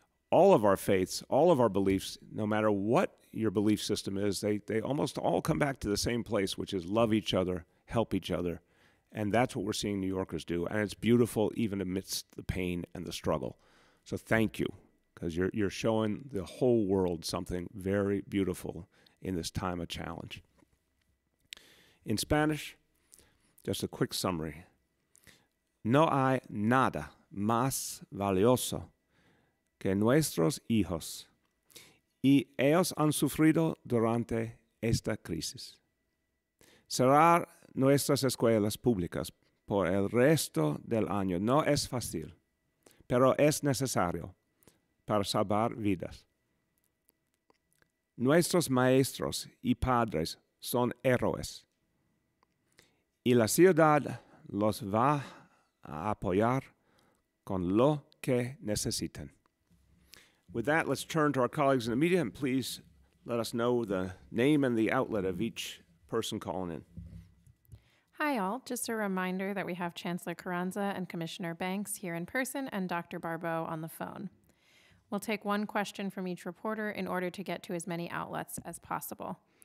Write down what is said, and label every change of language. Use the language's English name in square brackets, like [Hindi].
[English] All of our faiths, all of our beliefs, no matter what your belief system is, they almost all come back to the same place, which is love each other, help each other. And that's what we're seeing New Yorkers do. And it's beautiful even amidst the pain and the struggle. So thank you, because you're showing the whole world something very beautiful in this time of challenge. In Spanish, just a quick summary. [Spanish] No hay nada más valioso que nuestros hijos, y ellos han sufrido durante esta crisis. Cerrar nuestras escuelas públicas por el resto del año no es fácil, pero es necesario para salvar vidas. Nuestros maestros y padres son héroes, y la ciudad los va a apoyar con lo que necesitan. [English] With that, let's turn to our colleagues in the media, and please let us know the name and the outlet of each person calling in. Hi, all. Just a reminder that we have Chancellor Carranza and Commissioner Banks here in person and Dr. Barbeau on the phone. We'll take one question from each reporter in order to get to as many outlets as possible.